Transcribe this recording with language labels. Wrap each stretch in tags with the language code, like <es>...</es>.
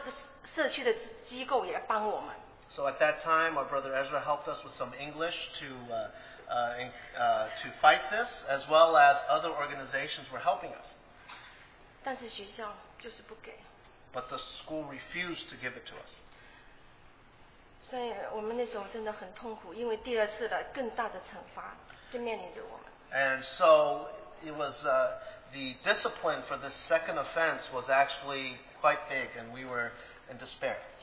<zh>那弟兄，Ezra弟兄也帮我们，那时候就是用英文啊，我们去帮学校翻，很多社区的机构也帮我们。</zh> <en>So at that time, our brother Ezra helped us with some English to fight this, as well as other organizations were helping us.</en> <zh>但是学校就是不给。</zh> <en>But the school refused to give it to us.</en> <zh>所以我们那时候真的很痛苦，因为第二次的更大的惩罚。</zh> <en>And so it was the discipline for this second offense was actually quite big, and we were in despair.</en>